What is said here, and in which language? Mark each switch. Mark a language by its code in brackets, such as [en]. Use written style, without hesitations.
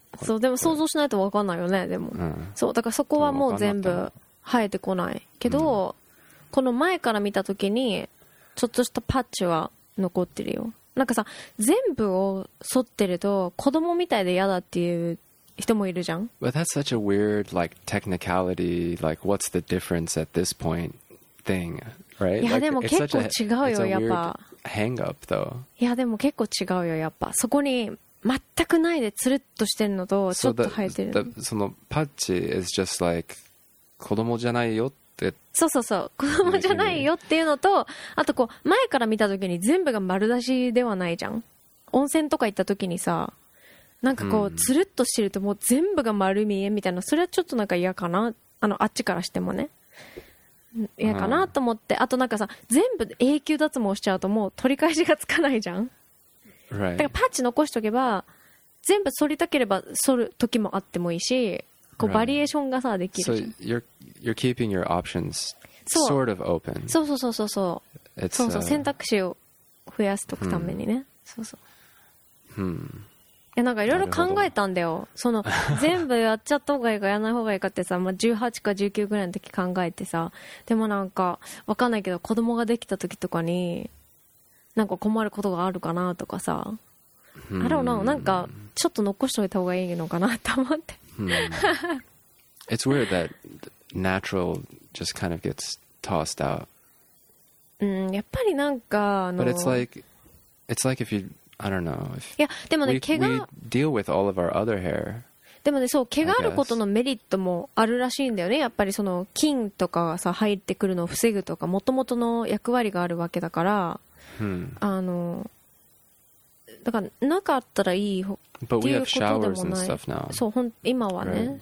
[ja] そうでも想像しないと分かんないよねでも、うん、そうだからそこはもう全部生えてこないけど、うん、この前から見た時にちょっとしたパッチは残ってるよ。なんかさ全部を剃ってると子供みたいで嫌だっていう人もいるじゃん。 [en] But that's such a weird like technicality like what's the difference at this point thing right? [ja] いやでも結構違うよやっぱ。 [en] Hang up though. [ja] いやでも結構違うよやっぱ。そこに全くないでつるっとしてるのとちょっと生えてるの。そのパッチ [en] is just like [ja] 子供じゃないよって。そうそうそう子供じゃないよっていうのとあとこう前から見た時に全部が丸出しではないじゃん。温泉とか行った時にさなんかこうつるっとしてるともう全部が丸見えみたいな。それはちょっとなんか嫌かな。あのあっちからしてもね嫌かなと思って。あとなんかさ全部永久脱毛しちゃうともう取り返しがつかないじゃん。だからパッチ残しとけば全部剃りたければ剃る時もあってもいいし、こうバリエーションがさできるじゃん。 [en] So you're keeping your options sort of open. [ja] そうそうそうそうそう。そうそう選択肢を増やしとくためにね。そうそう。いやなんかいろいろ考えたんだよ。その全部やっちゃった方がいいかやらない方がいいかってさ、まあ、18か19ぐらいの時考えてさ、でもなんかわかんないけど子供ができた時とかになんか困ることがあるかなとかさ、 [en] I don't know、 [ja] なんかちょっと残しておいた方がいいのかなと思って。 [en] It's weird that natural just kind of gets tossed out. [ja] やっぱりなんか [en] But it's like if you I don't know. If [ja] いやでもね毛が [en] we deal with all of our other hair. [ja] でもねそう毛があることのメリットもあるらしいんだよね。やっぱりその菌とかさ入ってくるのを防ぐとか元々の役割があるわけだから。 Hmm. だからなかったらいいっていうことでもない。 [en] But we have showers and stuff now. [ja] そう今はね、right.